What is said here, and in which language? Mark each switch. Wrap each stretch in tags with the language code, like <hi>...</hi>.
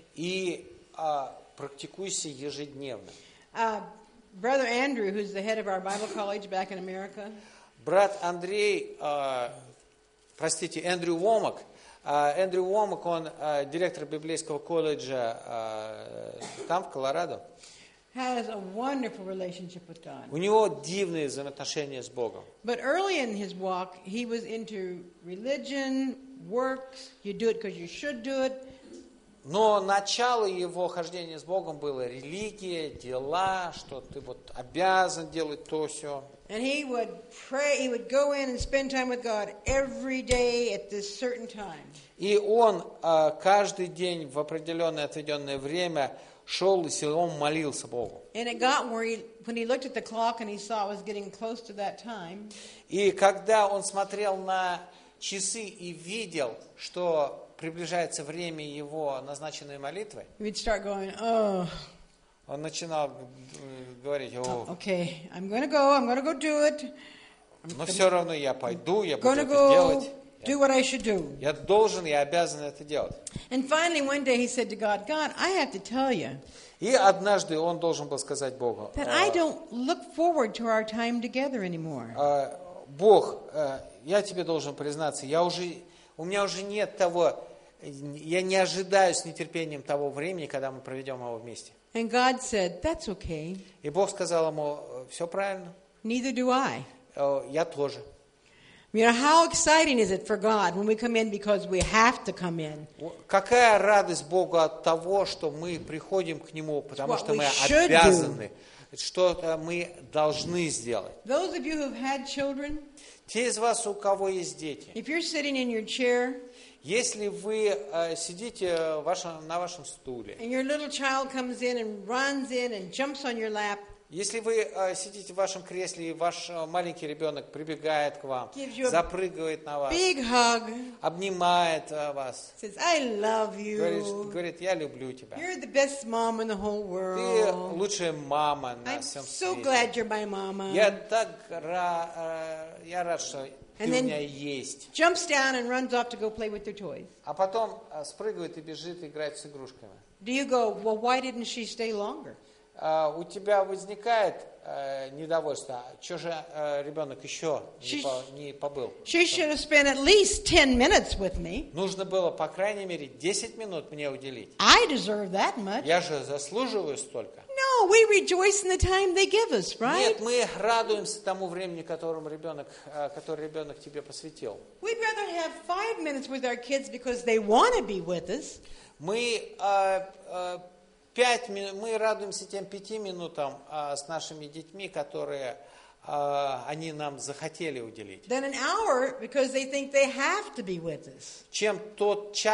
<ru>И практикуйся ежедневно.</ru> <en>Brother Andrew, who's the head of our Bible college back in America.</en> <ru>Брат Андрей, простите, Эндрю Уомак. Эндрю Уомак, он директор библейского колледжа там, в Колорадо.</ru> <en>Has a wonderful relationship with God.</en> <ru>У него дивные взаимоотношения с Богом.</ru> <en>But early in his walk, he was into religion, works. You do it because you should do it.</en> <ru>Но начало его хождения с Богом было религия, дела, что ты вот обязан делать то все.</ru> <en>And he would pray. He would go in and spend time with God every day at this certain time.</en> <ru>И он каждый день в определенное отведенное время шел и силом молился Богу.</ru> <en>And it got where when he looked at the clock and he saw it was getting close to that time.</en> <ru>И когда он смотрел на часы и видел, что приближается время его назначенной молитвы,</ru> <en>he'd start going, oh.</en> <ru>Он начинал говорить, о, oh,</ru> <en>okay, I'm gonna go do it.</en> <ru>Но все равно я пойду, я буду это делать.</ru> <en>do what I should do.</en> <ru>Я должен, я обязан это делать.</ru> <en>And finally, one day he said to God, God, I have to tell you.</en> <ru>И однажды он должен был сказать Богу.</ru> <en>That I don't look forward to our time together anymore.</en> <ru>Бог, я тебе должен признаться, я уже, у меня уже нет того, я не ожидаю с нетерпением того времени, когда мы проведем его вместе.</ru> <en>And God said, that's okay.</en> <ru>И Бог сказал ему, все правильно.</ru> <en>Neither do I.</en> <ru>Я тоже.</ru> <en>You know, how exciting is it for God when we come in because we have to come in?</en> <ru>Какая радость Богу от того, что мы приходим к Нему, потому что мы обязаны, что мы должны сделать.</ru> <en>Those of you who've had children,</en> <ru>те из вас, у кого есть дети,</ru> <en>if you're sitting in your chair,</en> <ru>если вы сидите на вашем стуле,</ru> <en>and your little child comes in and runs in and jumps on your lap,</en> <ru>если вы сидите в вашем кресле, и ваш маленький ребенок прибегает к вам, запрыгивает на вас,</ru> <en>big hug,</en> <ru>обнимает вас,</ru> <en>says, I love you.</en> <ru>Говорит, я люблю тебя.</ru> <en>You're the best mom in the whole world.</en> <ru>Ты лучшая мама на</ru> <en>I'm</en> <ru>всем</ru> <en>so</en> <ru>свете.</ru> <en>Glad you're my mama.</en> <ru>Я так я рад, что</ru> <en>and</en> <ru>ты у меня есть.</ru> <en>Jumps down and runs off to go play with their toys.</en> <ru>А потом спрыгивает и бежит играть с игрушками.</ru> <en>Do you go, well, why didn't she stay longer?</en> <ru>У тебя возникает недовольство. Чего же ребенок еще не побыл?</ru> <en>She should have spent at least 10 minutes with me.</en> <ru>Нужно было, по крайней мере, 10 минут мне уделить.</ru> <en>I deserve that much.</en> <ru>Я же заслуживаю столько.</ru> <en>No, we rejoice in the time they give us, right?</en> <ru>Нет, мы радуемся тому времени, который ребенок тебе посвятил.</ru> <en>We'd rather have 5 minutes with our kids because they want to be with us.</en> <ru>Мы радуемся тем 5 минутам с нашими детьми, которые они нам захотели уделить.</ru> <en>Then an hour because they think they have to be with us.</en>